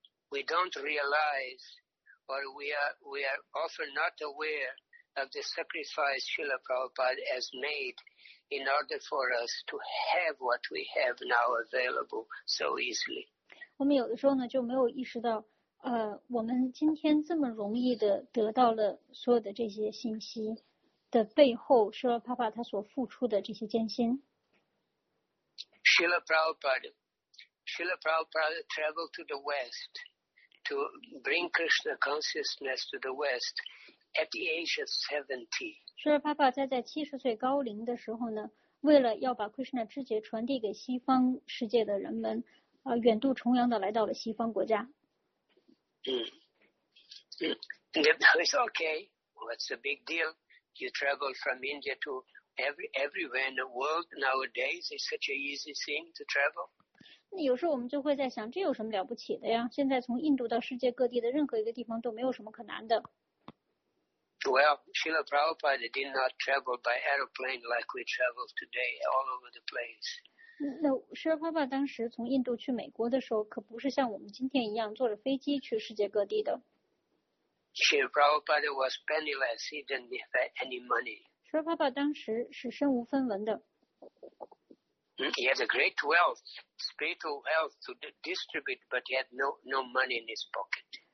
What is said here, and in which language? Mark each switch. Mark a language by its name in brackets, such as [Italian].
[English] We don't realize, or we are often not aware of the sacrifice Srila Prabhupada has made in order for us to have what we have now available so easily. [Chinese] 我们有的时候呢就没有意识到。我们今天这么容易的得到了所有的这些信息的背后，舍拉帕帕他所付出的这些艰辛。 [English] Srila Prabhupada traveled to the West to bring Krishna consciousness to the West at the age of 70. [Chinese] 舍拉帕帕在70岁高龄的时候呢，为了要把 Krishna 知觉传递给西方世界的人们，远渡重洋的来到了西方国家。 [English] It's okay. What's the big deal? You travel from India to everywhere in the world nowadays. It's such an easy thing to travel. [Chinese] 那有时候我们就会在想，这有什么了不起的呀？现在从印度到世界各地的任何一个地方都没有什么可难的。 [English] Well, Srila Prabhupada did not travel by aeroplane like we travel today all over the place. [Chinese] 那舍拉帕帕当时从印度去美国的时候，可不是像我们今天一样坐着飞机去世界各地的。 [English] Srila Prabhupada was penniless, he didn't have any money. [Chinese] 舍拉帕帕当时是身无分文的。 [English] He had a great wealth, spiritual wealth to distribute, but he had no money in his pocket.